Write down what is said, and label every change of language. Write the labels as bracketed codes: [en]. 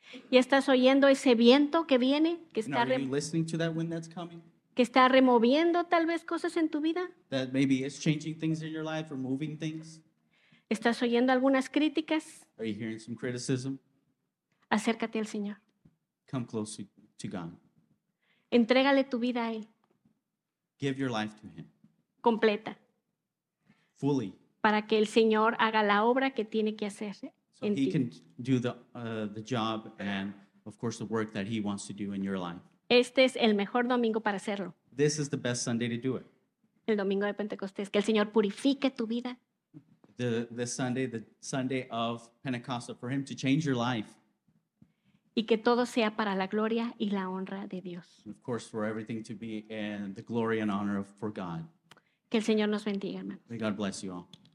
[es] ¿Ya estás oyendo ese viento que viene? Que [en] está are you listening to that wind that's coming? [es] Que está removiendo tal vez cosas en tu vida. [en] That maybe it's changing things in your life or moving things. [es] ¿Estás oyendo algunas críticas? [en] Are you hearing some criticism? [es] Acércate al Señor. [en] Come close to God. [es] Entrégale tu vida a Él. [en] Give your life to Him. [es] Completa. [en] Fully. [es] Para que el Señor haga la obra que tiene que hacer en ti. [en] So He can do the job and, of course, the work that He wants to do in your life. [es] Este es el mejor domingo para hacerlo. [en] This is the best Sunday to do it. [es] El domingo de Pentecostés, que el Señor purifique tu vida. [en] The Sunday of Pentecost, for Him to change your life. [es] Y que todo sea para la gloria y la honra de Dios. [en] And of course, for everything to be in the glory and honor of, for God. [es] Que el Señor nos bendiga, hermano. [en] May God bless you all.